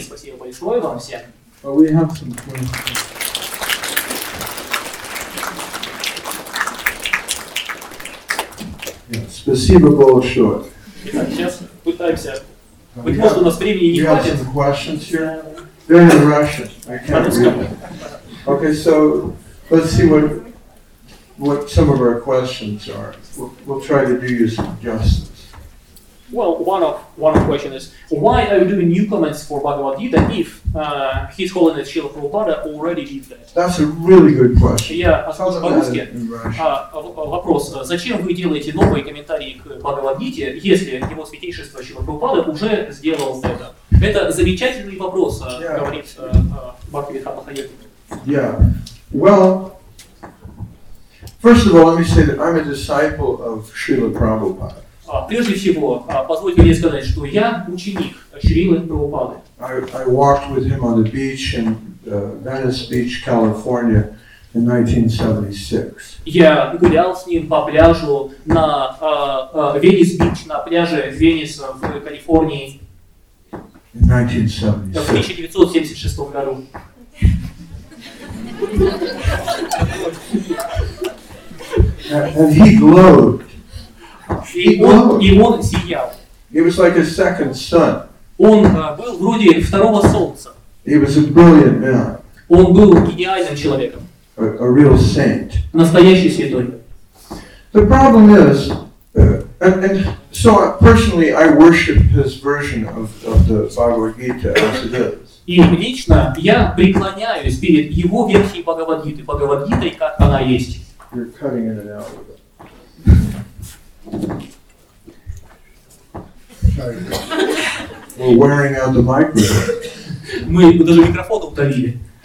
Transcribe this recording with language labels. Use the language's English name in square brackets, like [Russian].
[Russian] Спасибо большое вам всем. [English] Well, we have some questions. [Russian] Спасибо большое. Итак, сейчас пытаемся. Быть может, у нас времени не хватит. [English] You have some questions here? They're in Russian. I can't read them. Okay, so let's see what some of our questions are. We'll try to do you some justice. Well, one question is, why are we doing new comments for Bhagavad Gita if His Holiness Srila Prabhupada already did that? That's a really good question. [Russian] Я спрошу по-русски. Вопрос. Зачем вы делаете новые комментарии к Бхагавад Гите, если Его Святейшество Шрила Прабхупада уже сделал это? Это замечательный вопрос, говорит Бхактивидханта Махаяти. [English] Yeah. Well, first of all, let me say that I'm a disciple of Srila Prabhupada. [Russian] Прежде всего, позвольте мне сказать, что я ученик Шрилы Прабхупады. [English] I walked with him on the beach in Venice Beach, California in 1976. [Russian] Я гулял с ним по пляжу на Venice Beach, на пляже Венес в Калифорнии. [English] In 1976. [Russian] В 1976 году. [English] And he glowed. [Russian] И он сиял. [English] He was like a second sun. [Russian] Он был вроде второго солнца. [English] He was a brilliant man. [Russian] Он был гениальным человеком. [English] A real saint. [Russian] Настоящий святой. [English] The problem is, and so personally, I worship his version of the Bhagavad Gita as it is. [Russian] И лично я преклоняюсь перед его версией Бхагавад-гитой, как она есть. [English] You're cutting in and out with it. We're wearing out the microphone. [Russian] Мы даже микрофон утолили.